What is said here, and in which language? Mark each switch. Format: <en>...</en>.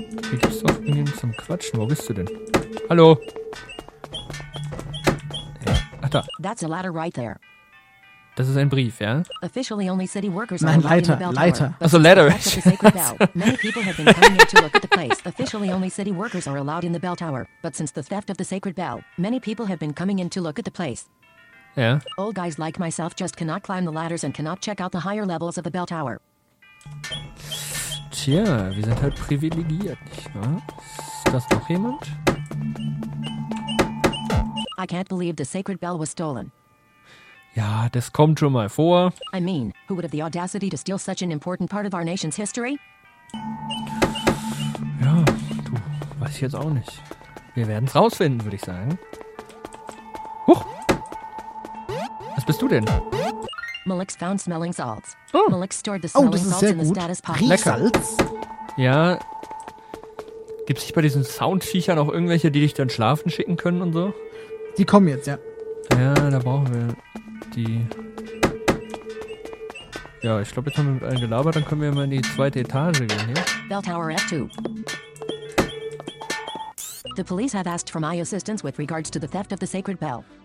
<de>Wie gibt's doch irgendwie zum Quatschen? Wo bist du denn? Hallo? Ach da.</de> <en>That's a ladder right there.</en> <de>Das ist ein Brief, ja?</de> <en>Officially only city workers are allowed in the bell tower. Also letter. Many people have been coming here to look at the place. Officially only city workers are allowed in the bell tower, but since the theft of the sacred bell, many people have been coming in to look at the place.</en> <de>Ja.</de> <en>Old guys like myself just cannot climb the ladders and cannot check out the higher levels of the bell tower.</en> <de>Tja, wir sind halt privilegiert, nicht wahr? Ist das noch jemand?</de> <en>I can't believe the sacred bell was stolen.</en> <de>Ja, das kommt schon mal vor.</de> <en>I mean, who would have the audacity to steal such an important part of our nation's history?</en> <de>Ja, du, weiß ich jetzt auch nicht. Wir werden's rausfinden, würde ich sagen. Huch! Was bist du denn?</de> <en>Malix found smelling salts. Oh. Malix stored the smelling salts in the status pocket.</en> <de>Riechsalz? Ja. Gibt's nicht bei diesen Soundviechern auch irgendwelche, die dich dann schlafen schicken können und so? Die kommen jetzt, ja. Ja, da brauchen wir... Ja, ich glaube, jetzt haben wir mit allen gelabert, dann können wir mal in die zweite Etage gehen, ja?</de> <en>Bell Tower F2. The police have asked for my assistance with regards to the theft of the sacred bell.</en>